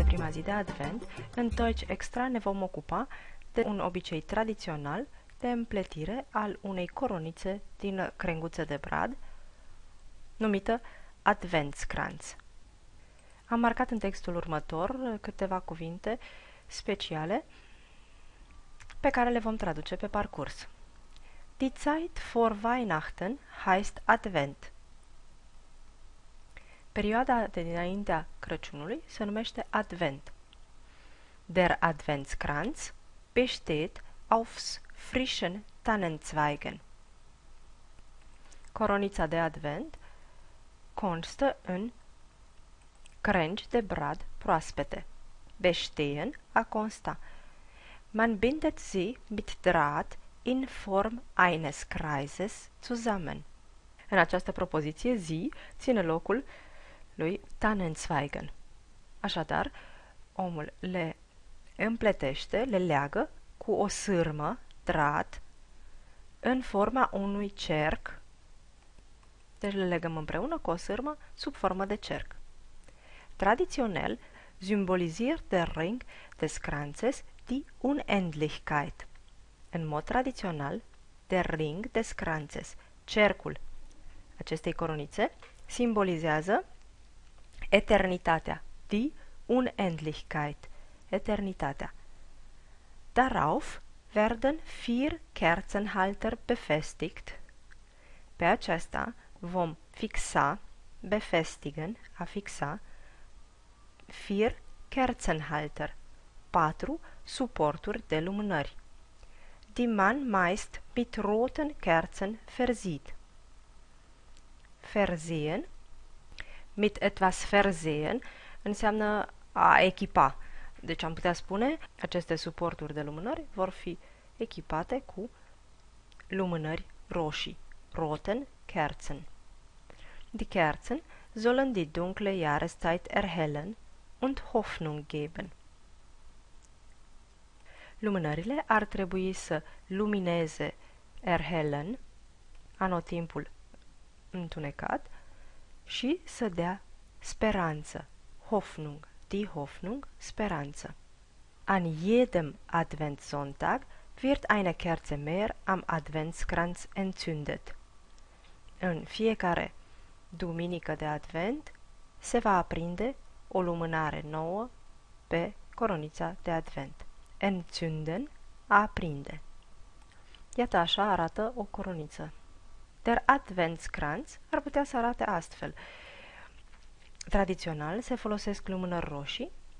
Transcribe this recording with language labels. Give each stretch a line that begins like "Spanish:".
Romanian: zi de advent, în tăci extra ne vom ocupa de un obicei tradițional de împletire al unei coronițe din crenguță de brad, numită Adventskranz. Am marcat în textul următor câteva cuvinte speciale pe care le vom traduce pe parcurs.
German: Die Zeit vor Weihnachten heißt Advent.
Romanian: Perioada de dinaintea Crăciunului se numește Advent.
German: Der Adventskranz besteht aufs frischen Tannenzweigen.
Romanian: Coronița de Advent constă în crengi de brad proaspete. Bestehen, a consta.
German: Man bindet sie mit Draht in Form eines Kreises zusammen.
Romanian: În această propoziție, sie ține locul lui Tannenzweigen. Așadar, omul le împletește, le leagă cu o sârmă, Draht, în forma unui cerc. Deci le legăm împreună cu o sârmă sub formă de cerc.
German: Traditionell symbolisiert der Ring des Kranzes die Unendlichkeit.
Romanian: În mod tradițional,
German: der Ring des Kranzes,
Romanian: cercul acestei coronițe, simbolizează eternitatea, die Unendlichkeit, eternitatea.
German: Darauf werden vier Kerzenhalter befestigt.
Romanian: Pe aceasta vom fixa, befestigen, a fixa, vier Kerzenhalter, patru suporturi de lumânări.
German: Die man meist mit roten Kerzen versieht. Versehen, mit etwas versehen,
Romanian: înseamnă a echipa. Deci am putea spune, aceste suporturi de lumânări vor fi echipate cu lumânări roșii.
German: Roten Kerzen. Die Kerzen sollen die dunkle Jahreszeit erhellen und Hoffnung geben.
Romanian: Lumânările ar trebui să lumineze erhellen, anotimpul întunecat, și să dea speranță, Hoffnung, die Hoffnung, speranță.
German: An jedem Adventssonntag wird eine Kerze mehr am Adventskranz entzündet.
Romanian: În fiecare duminică de advent se va aprinde o lumânare nouă pe coronița de advent. Entzünden, a aprinde. Iată așa arată o coroniță. Der Adventskranz ar putea să arate astfel. Tradițional se folosesc lumânări roșii.